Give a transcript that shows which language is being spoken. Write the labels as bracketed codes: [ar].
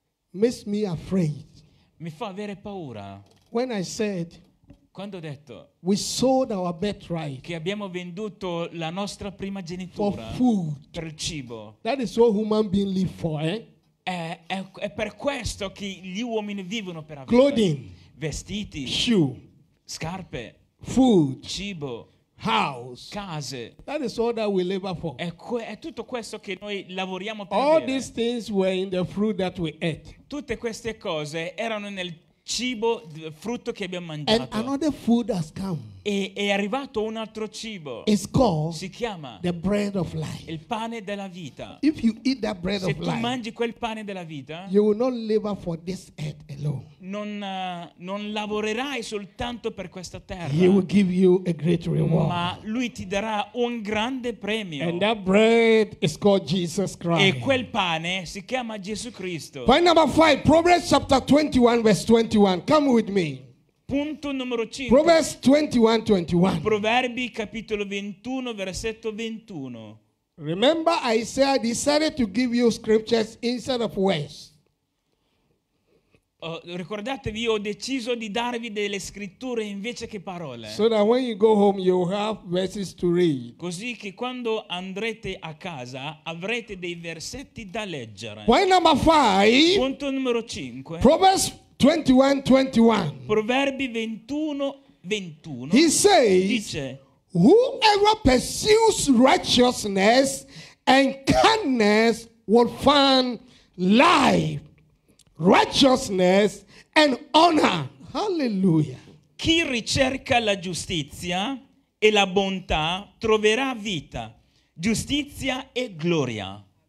[en] makes me afraid. [it] Mi fa avere paura. [en] When I said, [it] quando ho detto, [en] we sold our birthright, [it] che abbiamo venduto la nostra prima genitura [en] for food, [it] per il cibo. [en] That is what human beings live for, eh? [it] È per questo che gli uomini vivono per avere [en] clothing, [it] vestiti, [en] shoe, [it] scarpe, [en] food, [it] cibo, [en] house, [it] case. [en] That is all that we labor for. [it] È tutto questo che noi lavoriamo per [en] all [it] avere. [en] These things were in the fruit that we ate. [it] Tutte queste cose erano nel cibo, frutto che abbiamo mangiato. [en] And another food has come. [it] È arrivato un altro cibo. [en] It's called, [it] si chiama, [en] the bread of life. [it] Il pane della vita. [en] If you eat that bread [it] se [en] of life, [it] se tu mangi quel pane della vita, [en] you will not labor for this earth alone. [it] Non lavorerai soltanto per questa terra. [en] He will give you a great reward. [it] Ma lui ti darà un grande premio. [en] And that bread is called Jesus Christ. [it] E quel pane si chiama Gesù Cristo. [en] Point number 5, Proverbs chapter 21 verse 21. Come with me. [it] Punto numero 5. [en] Proverbs 21:21. [it] Proverbi capitolo 21 versetto 21. [en] Remember I said I decided to give you scriptures instead of words. [it] Ricordatevi, ho deciso di darvi delle scritture invece che parole. [en] So that when you go home you have verses to read. [it] Così che quando andrete a casa avrete dei versetti da leggere. [en] Point number 5. [it] Punto numero 5. [en] Proverbs 21:21. [it] Proverbi 21:21. [en] He says, [it] dice, [en] whoever pursues righteousness and kindness will find life. Righteousness and honor. Hallelujah. [it] Chi ricerca la giustizia e la bontà troverà vita, giustizia e gloria.